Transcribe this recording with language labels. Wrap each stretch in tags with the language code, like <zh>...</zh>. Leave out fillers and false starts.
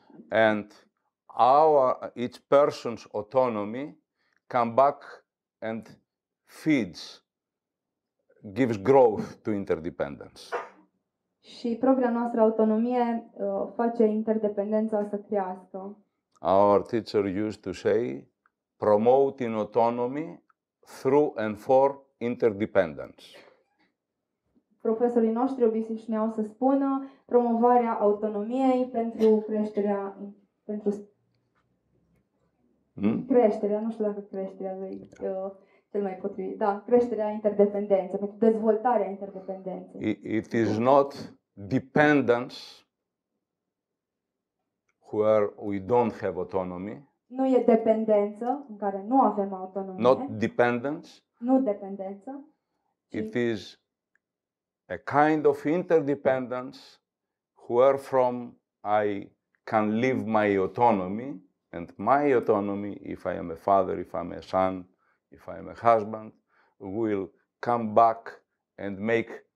<en>and each person's autonomy come back and feeds. Gives growth to interdependence.</en> <ro>Și propria noastră autonomie face interdependența să crească.</ro> <en>Our teacher used to say, promoting autonomy through and for interdependence.</en> <ro>Profesorii noștri obișnuiau să spună promovarea autonomiei pentru creșterea pentru creșterea, nu știu dacă creșterea lui cel mai potrivit, da, creșterea interdependenței, pentru dezvoltarea interdependenței.</ro> <en>It is not dependence where we don't have autonomy.</en> <ro>Nu e dependență în care nu avem autonomie.</ro> <en>Not dependence.</en> <ro>Nu dependență.</ro> <en>It is a kind of interdependence where from I can live my autonomy, and my autonomy, if I am a father, if I am a son, if I am a husband, will come back and make</en>